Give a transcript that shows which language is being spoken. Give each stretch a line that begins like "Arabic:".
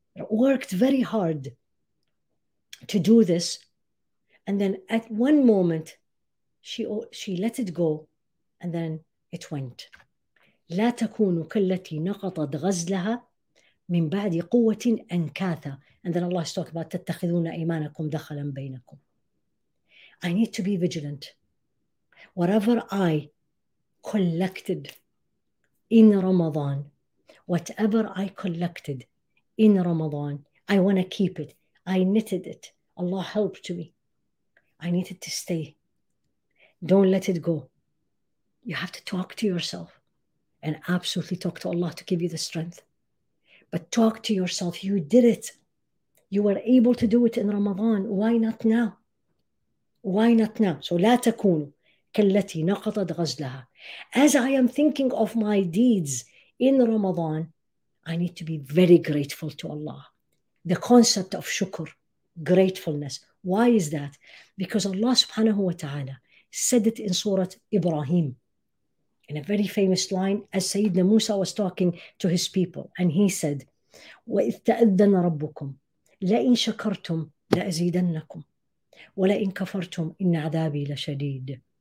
English: Worked very hard to do this. And then at one moment, she let it go, and then it went.
Arabic: لا تكون كالتي نقضت غزلها من بعد قوة أنكاثة.
English: And then Allah is talking about
Arabic: تتخذون إيمانكم دخلا بينكم.
English: I need to be vigilant. Whatever I collected in Ramadan, whatever I collected in Ramadan, I want to keep it. I knitted it. Allah helped me. I needed to stay. Don't let it go. You have to talk to yourself and absolutely talk to Allah to give you the strength. But talk to yourself. You did it. You were able to do it in Ramadan. Why not now? Why not now?
Arabic: So لا تكون كالتي نقضت غزلها.
English: As I am thinking of my deeds in Ramadan, I need to be very grateful to Allah. The concept of shukr, gratefulness. Why is that? Because Allah subhanahu wa ta'ala said it in Surah Ibrahim, in a very famous line, as Sayyidina Musa was talking to his people, and he said, وَإِذْ تَأَذَّنَ رَبُّكُمْ لَإِنْ شَكَرْتُمْ لَأَزِيدَنَّكُمْ وَلَإِنْ كَفَرْتُمْ إِنَّ عَذَابِي لَشَدِيدٌ.